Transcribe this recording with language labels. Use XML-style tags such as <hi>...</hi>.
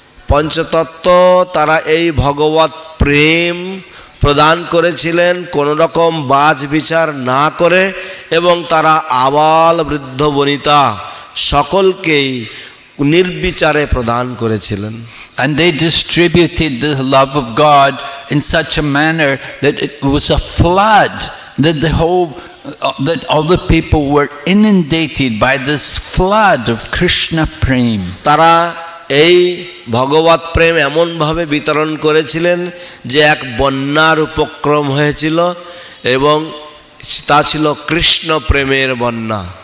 <bn>পঞ্চতত্ত্ব তারা এই ভগবত প্রেম প্রদান করেছিলেন কোন রকম বাজ বিচার না করে এবং তারা আবাল বৃদ্ধ বনিতা সকলকেই নির্বিচারে প্রদান করেছিলেন</bn> <en>and they distributed the love of God in such a manner that it was a flood that the whole that all the people were inundated by this flood of Krishna prem</en> <bn>তারা এই ভগবত প্রেম এমনভাবে বিতরণ করেছিলেন যে এক বন্যার উপক্রম হয়েছিল এবং তা ছিল কৃষ্ণ প্রেমের বন্যা</bn>